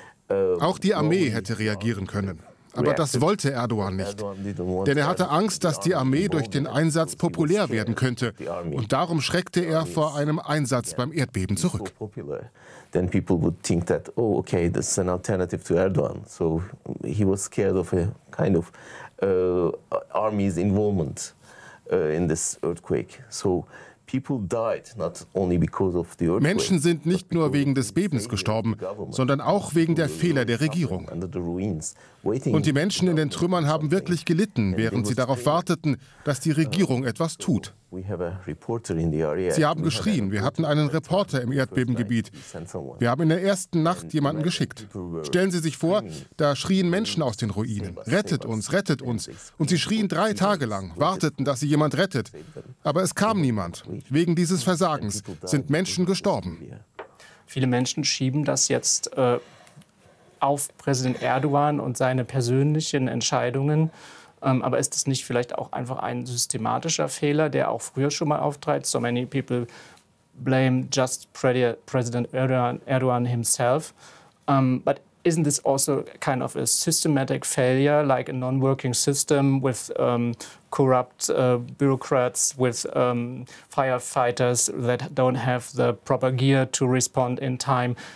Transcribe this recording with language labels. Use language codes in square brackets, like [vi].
[de] Auch die Armee hätte reagieren können. Aber das wollte Erdogan nicht, denn er hatte Angst, dass die Armee durch den Einsatz populär werden könnte. Und darum schreckte er vor einem Einsatz beim Erdbeben zurück. [en] Then people would think that, oh, okay, this is an alternative to Erdogan. So he was scared of a kind of army's involvement in this earthquake. So people died not only because of the earthquake. [de] Menschen sind nicht nur wegen des Bebens gestorben, sondern auch wegen der Fehler der Regierung. Und die Menschen in den Trümmern haben wirklich gelitten, während sie darauf warteten, dass die Regierung etwas tut. Sie haben geschrien, wir hatten einen Reporter im Erdbebengebiet. Wir haben in der ersten Nacht jemanden geschickt. Stellen Sie sich vor, da schrien Menschen aus den Ruinen. Rettet uns, rettet uns. Und sie schrien 3 Tage lang, warteten, dass sie jemand rettet. Aber es kam niemand. Wegen dieses Versagens sind Menschen gestorben. Viele Menschen schieben das jetzt auf Präsident Erdogan und seine persönlichen Entscheidungen. Aber ist das nicht vielleicht auch einfach ein systematischer Fehler, der auch früher schon mal auftrat? [en] So many people blame just President Erdogan himself. But isn't this also kind of a systematic failure, like a non-working system with corrupt bureaucrats, with firefighters that don't have the proper gear to respond in time?